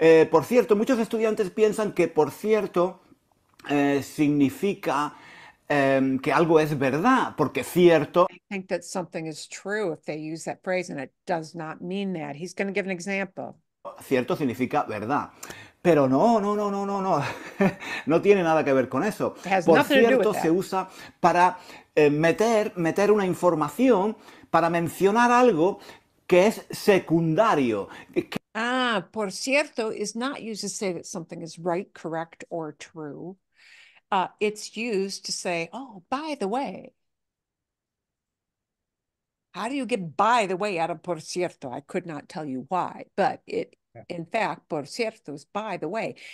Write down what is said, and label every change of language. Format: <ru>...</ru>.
<es>Por cierto, muchos estudiantes piensan que por cierto significa que algo es verdad, porque cierto.</es> <en>I think that something is true if they use that phrase and it does not mean that. He's going to give an example.</en> <es>Cierto significa verdad. Pero no, no, no, no, no, no. No tiene nada que ver con eso. Por cierto, se usa para meter una información, para mencionar algo que es secundario. Que...</es> <en>Ah, por cierto is not used to say that something is right, correct, or true. It's used to say, oh, by the way. How do you get by the way out of por cierto? I could not tell you why, but it, in fact, por cierto is by the way.</en>